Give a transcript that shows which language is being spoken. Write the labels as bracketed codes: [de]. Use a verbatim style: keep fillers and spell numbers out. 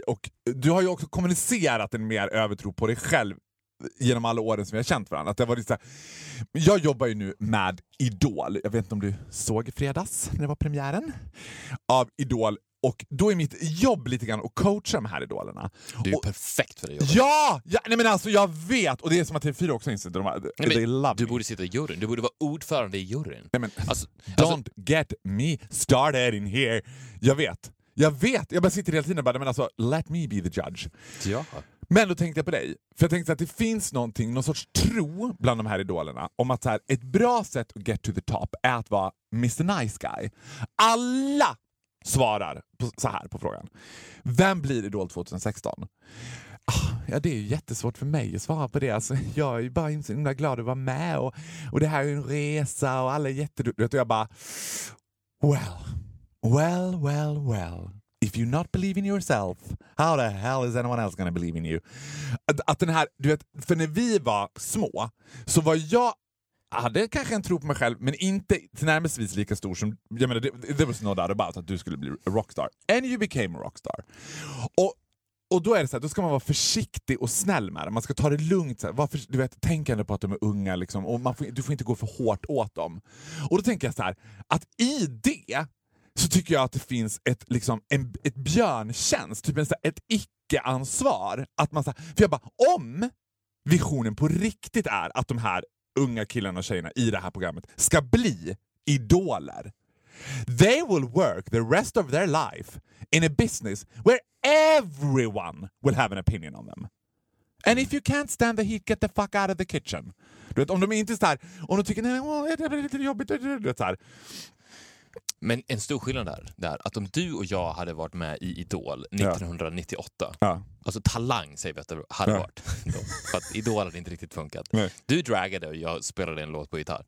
[sv] Och du har ju också kommunicerat en mer övertro på dig själv genom alla åren som jag har känt varandra. Att det var lite så här, jag jobbar ju nu med Idol. Jag vet inte om du såg i fredags när det var premiären. Av Idol Och då är mitt jobb lite grann att coacha de här idolerna. Du är och, perfekt för det jobbet. Ja! ja nej men alltså, jag vet! Och det är som att T V fyra också inser de här, nej, [en] they love [sv] du [en] me. [sv] Borde sitta i juryn. Du borde vara ordförande i juryn. Nej, men, alltså, [en] don't alltså, get me started in here. [sv] Jag vet. Jag vet. Jag bara sitter hela tiden och bara, men alltså, [en] let me be the judge. [sv] Ja. Men då tänkte jag på dig. För jag tänkte att det finns någonting, någon sorts tro bland de här idolerna om att så här, ett bra sätt att [en] get to the top [sv] är att vara [en] mister Nice Guy. [sv] Alla svarar på, så här på frågan. Vem blir Idol tjugohundrasexton? Ah, ja, det är ju jättesvårt för mig att svara på det. Alltså, jag är ju bara inte så glad att vara med. Och, och det här är en resa och alla är jätteduktiga. Och jag bara, [en] well, well, well, well. If you not believe in yourself, how the hell is anyone else gonna believe in you? [sv] Att, att den här, du vet, för när vi var små så var jag Jag hade kanske en tro på mig själv, men inte tillnärmelsevis lika stor som... Jag menar, det, det var så något about att du skulle bli a rockstar. [en] And you became a rockstar. [sv] Och, och då är det så här, då ska man vara försiktig och snäll med det. Man ska ta det lugnt. Så här, varför, du vet, tänk ändå på att de är unga. Liksom, och man får, du får inte gå för hårt åt dem. Och då tänker jag så här, att i det så tycker jag att det finns ett, liksom, en, ett björntjänst. Typ en, så här, ett icke-ansvar. Att man, så här, för jag bara, om visionen på riktigt är att de här unga killarna och tjejerna i det här programmet ska bli idoler. [en] They will work the rest of their life in a business where everyone will have an opinion on them. And if you can't stand the heat, get the fuck out of the kitchen. [sv] Du vet, om de inte är så här, om de tycker nej, åh, det blir lite jobbigt, du vet, så här. Men en stor skillnad där, där att om du och jag hade varit med i Idol nittonhundranittioåtta, ja. Alltså Talang säger vi att det hade ja. varit för att Idol hade inte riktigt funkat. Nej. Du dragade och jag spelade en låt på gitarr.